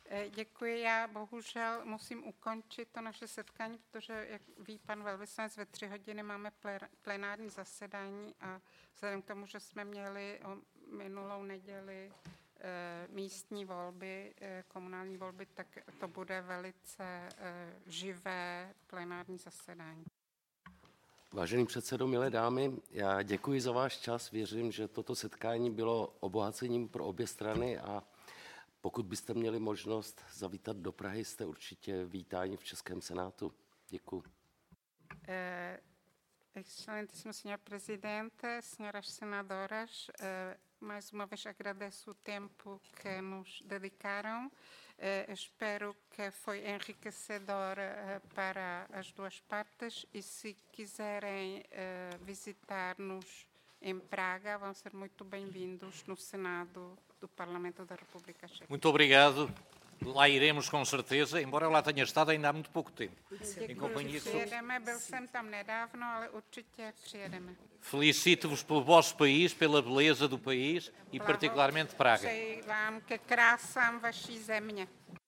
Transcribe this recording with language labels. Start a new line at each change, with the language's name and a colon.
Czech: Děkuji, já bohužel musím ukončit to naše setkání, protože, jak ví pan velvyslanec, ve 3 hodiny máme plenární zasedání a vzhledem k tomu, že jsme měli minulou neděli místní volby, komunální volby, tak to bude velice živé plenární zasedání. Vážený předsedo, milé dámy, já děkuji za váš čas, věřím, že toto setkání bylo obohacením pro obě strany a pokud byste měli možnost zavítat do Prahy, jste určitě vítáni v Českém senátu. Děkuji.
Portuguese: Excelentíssimo senhor presidente, senhoras senadoras, mais uma vez agradeço o tempo que nos dedicaram. Espero que foi enriquecedor para as duas partes e se quiserem visitar-nos em Praga, vão ser muito bem-vindos no Senado do Parlamento da República Checa. Muito obrigado. Lá iremos com certeza, embora lá tenha estado ainda há muito pouco tempo. Em companhia de...
Czech: Byl jsem tam nedávno, ale určitě přijedeme.
Portuguese: Felicito-vos pelo vosso país, pela beleza do país e particularmente Praga.
Czech: Přeji vám ke krásám vaší země.